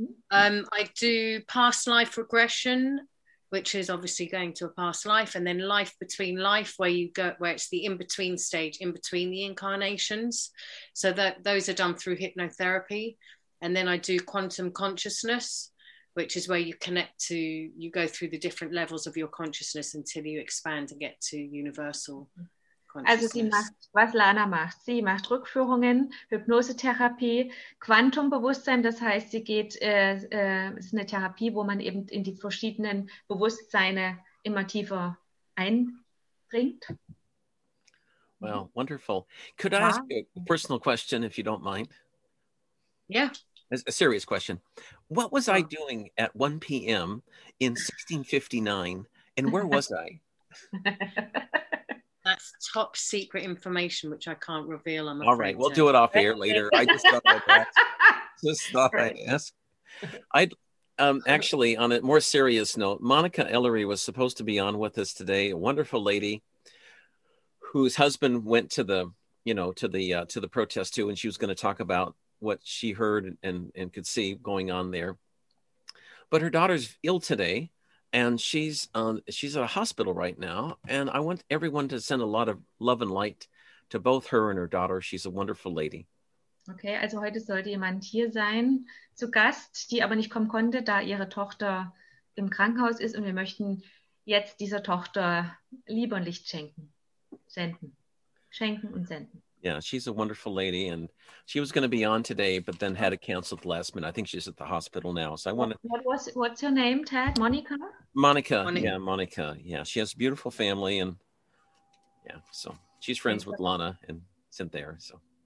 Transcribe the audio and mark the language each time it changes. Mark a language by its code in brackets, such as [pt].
[en] I do past life regression, which is obviously going to a past life, and then life between life, where it's the in-between stage, in between the incarnations. So that those are done through hypnotherapy. And then I do quantum consciousness, which is where you connect to, you go through the different levels of your consciousness until you expand and get to universal consciousness. [de] Also sie macht, was Lana macht, sie macht Rückführungen, Hypnosetherapie, Quantumbewusstsein, das heißt, sie geht, ist eine Therapie, wo man eben in die verschiedenen Bewusstseine immer tiefer einbringt. [en] Well, wonderful. Could I ask you a personal question, if you don't mind? Yeah. A serious question. What was I doing at 1 p.m. in 1659, and where was I? That's top secret information, which I can't reveal. I'm all right, we'll do it off air later. I just thought I'd ask. Actually, on a more serious note, Monica Ellery was supposed to be on with us today, a wonderful lady whose husband went to the, you know, to the protest too, and she was going to talk about what she heard and could see going on there. But her daughter's ill today, and she's at a hospital right now. And I want everyone to send a lot of love and light to both her and her daughter. She's a wonderful lady. [de] Okay, also heute sollte jemand hier sein, zu Gast, die aber nicht kommen konnte, da ihre Tochter im Krankenhaus ist. Und wir möchten jetzt dieser Tochter Liebe und Licht schenken, senden. [en] Yeah, she's a wonderful lady, and she was going to be on today, but then had it canceled last minute. I think she's at the hospital now. So I want to. What's her name, Ted? Monica? Monica. Yeah, she has a beautiful family, and yeah, so she's friends with Lana and Cynthia. So